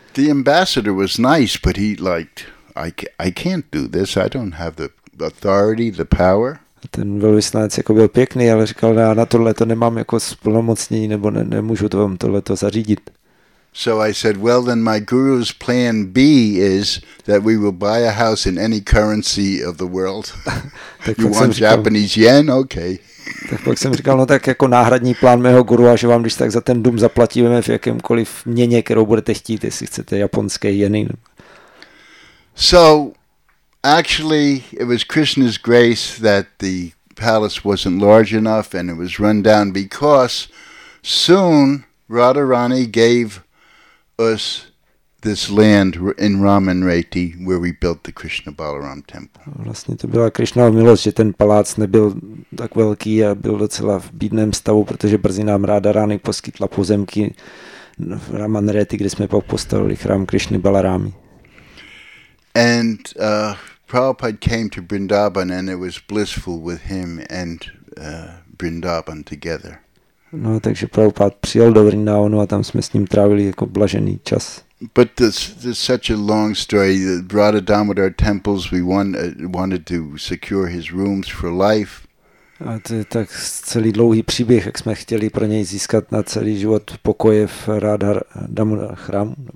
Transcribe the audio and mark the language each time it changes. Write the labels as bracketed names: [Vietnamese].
[English] The ambassador was nice, but he liked, I can't do this, I don't have the authority, the power. [Czech] Ten velvyslanec jako byl pěkný, ale říkal, já na tohle to nemám jako splnomocnění, nebo nemůžu to vám tohle to zařídit. [English] So I said, well then my guru's plan B is that we will buy a house in any currency of the world. You want [Czech] říkal, [English] Japanese yen? Okay. [Czech] Tak pak jsem říkal, no tak jako náhradní plán mého guru, a že vám když tak za ten dům zaplatíme v jakémkoliv měně, kterou budete chtít, jestli chcete japonské jeny. [English] So actually, it was Krishna's grace that the palace wasn't large enough and it was run down because soon Radharani gave us this land in Ramanreti where we built the Krishna Balaram temple. [Czech] Vlastně to byla Krishnova milost, že ten palác nebyl tak velký a byl docela v bídném stavu, protože brzy nám Radharani poskytla pozemky v Ramanreti, kde jsme postavili chrám Krishny Balarami. [English] And Prabhupada came to Vrindavan and it was blissful with him and Vrindavan together. [Czech] No, takže Prabhupada přijel do Vrindavanu a tam jsme s ním trávili jako blažený čas. [English] But this such a long story. Radha Damodar temples, we wanted to secure his rooms for life. [Czech] A to je tak celý dlouhý příběh, jak jsme chtěli pro něj získat na celý život pokoje v Radha Damodar chrámu.